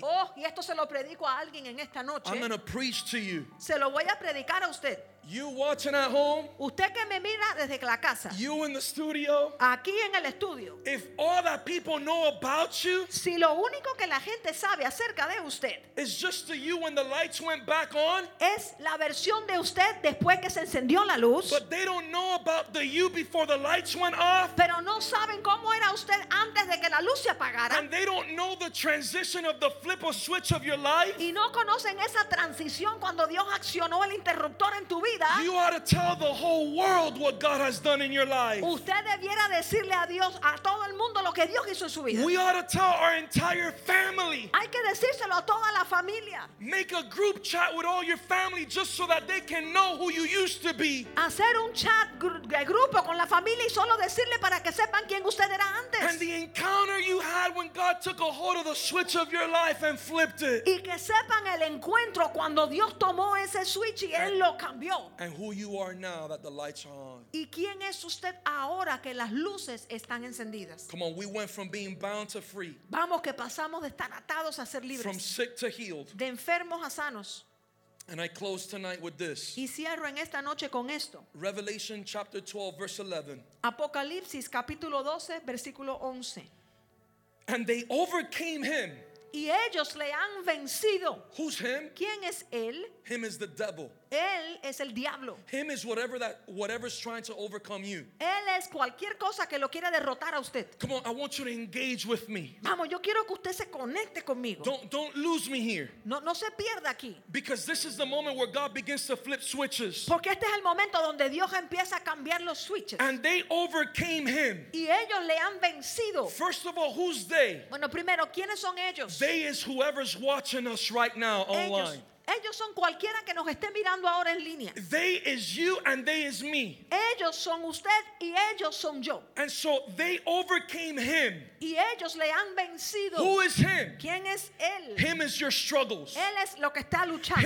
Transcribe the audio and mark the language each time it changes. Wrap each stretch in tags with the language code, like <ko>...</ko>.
<es>Oh, y esto se lo predico a alguien en esta noche.</es> <en>I'm going to preach to you.</en> <es>Se lo voy a predicar a usted.</es> <en>You watching at home.</en> <es>Usted que me mira desde la casa.</es> <en>You in the studio.</en> <es>Aquí en el estudio.</es> <en>If all that people know about you.</en> <es>Si lo único que la gente sabe acerca de usted.</es> <en>Is just to you when the lights went back on.</en> <es>Es la versión de usted después que se encendió la luz.</es> <en>But they don't know about the you before the lights went off.</en> <es>Pero no saben cómo era usted antes de que la luz se apagara.</es> <en>And they don't know the transition of the flip or switch of your life.</en> <es>Y no conocen esa transición cuando Dios accionó el interruptor en tu vida.</es> <en>You ought to tell the whole world what God has done in your life.</en> <es>Usted debiera decirle a Dios, a todo el mundo, lo que Dios hizo en su vida.</es> <en>We ought to tell our entire family.</en> <es>Hay que decírselo a toda la familia.</es> <en>Make a group chat with all your family just so that they can know who you used to be.</en> <es>Hacer un chat de grupo con la familia y solo decirle para que sepan quién usted era antes.</es> <en>And the encounter you had when God took a hold of the switch of your life and flipped it.</en> <es>Y que sepan el encuentro cuando Dios tomó ese switch y él lo cambió.</es> <en>And who you are now that the lights are on.</en> <es>¿Y quién es usted ahora que las luces están encendidas?</es> <en>Come on, we went from being bound to free.</en> <es>Vamos, que pasamos de estar atados a ser libres.</es> <en>From sick to healed.</en> <es>De enfermos a sanos.</es> <en>And I close tonight with this.</en> <es>Y cierro en esta noche con esto.</es> <en>Revelation chapter 12, verse 11.</en> <es>Apocalipsis capítulo 12, versículo 11.</es> <en>And they overcame him.</en> <es>Y ellos le han vencido.</es> <en>Who's him?</en> <es>¿Quién es él?</es> <en>Him is the devil.</en> <es>Él es el diablo.</es> <en>Him is whatever's trying to overcome you.</en> <es>Él es cualquier cosa que lo quiera derrotar a usted.</es> <en>Come on, I want you to engage with me.</en> <es>Vamos, yo quiero que usted se conecte conmigo.</es> <en>Don't lose me here.</en> <es>No se pierda aquí.</es> <en>Because this is the moment where God begins to flip switches.</en> <es>Porque este es el momento donde Dios empieza a cambiar los switches.</es> <en>And they overcame him.</en> <es>Y ellos le han vencido.</es> <en>First of all, who's they?</en> <es>Bueno, primero, ¿quiénes son ellos?</es> <en>They is whoever's watching us right now online.</en> <es>Ellos. Ellos son cualquiera que nos esté mirando ahora en línea.</es> <en>They is you and they is me.</en> <es>Ellos son usted y ellos son yo.</es> <en>And so they overcame him.</en> <es>Y ellos le han vencido.</es> <en>Who is him?</en> <es>¿Quién es él?</es> <en>Him is your struggles.</en> <es>Él es lo que está luchando.</es>